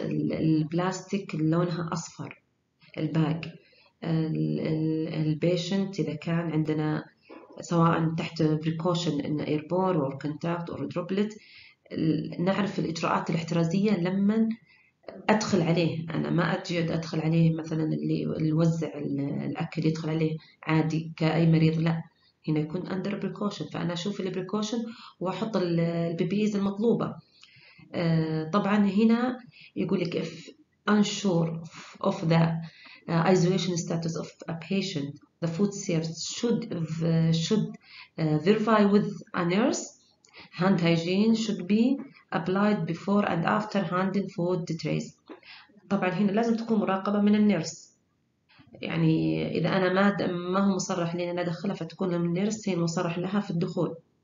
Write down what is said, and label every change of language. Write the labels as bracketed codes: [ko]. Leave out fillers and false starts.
[ar] البلاستيك لونها أصفر الباك، البيشنت إذا كان عندنا سواء تحت بريكوشن إن إيربور أو كونتاكت أو دروبلت، نعرف الإجراءات الاحترازية لما أدخل عليه. أنا ما أجد أدخل عليه مثلا اللي يوزع الأكل يدخل عليه عادي كأي مريض، لا هنا يكون أندر بريكوشن، فأنا أشوف البريكوشن وأحط البي بي إيز المطلوبة. طبعا هنا يقول لك [en] if unsure of the isolation status of a patient the food served should verify with a nurse. Hand hygiene should be applied before and after handing food trays. [ar] طبعا هنا لازم تكون مراقبة من النيرس، يعني إذا أنا ما هو مصرح لي أنا أدخلها فتكون من النيرس هي مصرح لها في الدخول.